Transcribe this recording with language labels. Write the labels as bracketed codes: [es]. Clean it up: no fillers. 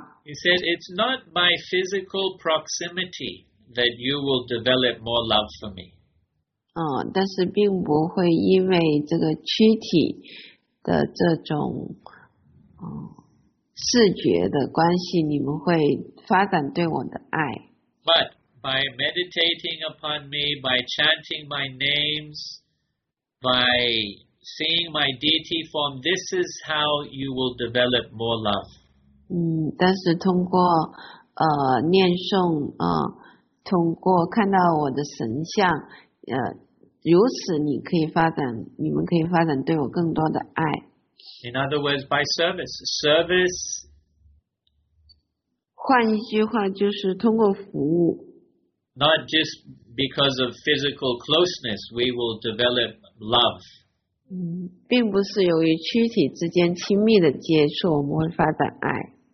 [en] He said, "It's not by physical proximity that you will develop more love for me." [zh] 但是并不会因为这个躯体的这种视觉的关系，你们会发展对我的爱。 [en] But by meditating upon me, by chanting my names, by seeing my deity form, this is how you will develop more love. [zh] 但是通过念诵通过看到我的神像如此你可以发展，你们可以发展对我更多的爱。 [en] In other words, by service. Service. [zh] 换一句话就是通过服务。 [en] Not just because of physical closeness, we will develop love. [zh] 并不是由于躯体之间亲密的接触，我们会发展爱。